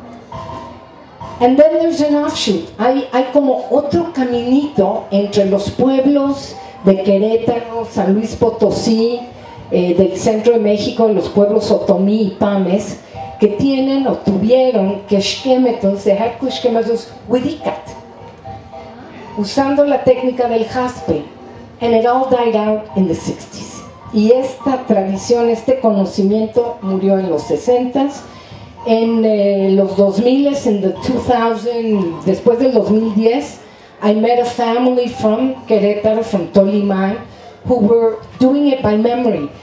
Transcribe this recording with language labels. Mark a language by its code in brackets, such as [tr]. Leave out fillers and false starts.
[en] And then there's an offshoot. [es] Hay como otro caminito entre los pueblos de Querétaro, San Luis Potosí, del centro de México, los pueblos Otomí y Pames, que tienen o tuvieron keshkemetos, dejar keshkemetos [en] with ikat, [es] usando la técnica del jaspe. [en] And it all died out in the 60s. [es] Y esta tradición, este conocimiento murió en los 60s. En los 2000s, [en] en the 2000, [es] después del 2010, [en] I met a family from Querétaro, from Tolimán, who were doing it by memory.